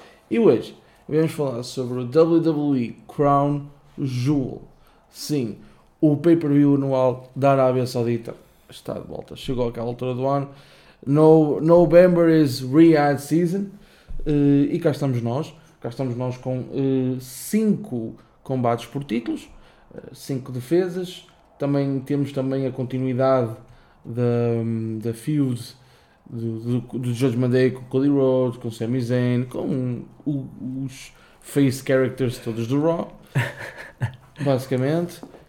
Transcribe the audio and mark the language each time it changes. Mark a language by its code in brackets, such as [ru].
[pt] E hoje, vamos falar sobre o WWE Crown Jewel. Sim, o pay-per-view anual da Arábia Saudita está de volta. Chegou àquela altura do ano. [en] November is Riyadh season. [pt] E cá estamos nós. Cá estamos nós com 5 combates por títulos, 5 defesas. Também temos também a continuidade da feud do Judgment Day com Cody Rhodes, com Sami Zayn, com os face characters todos do Raw, basicamente.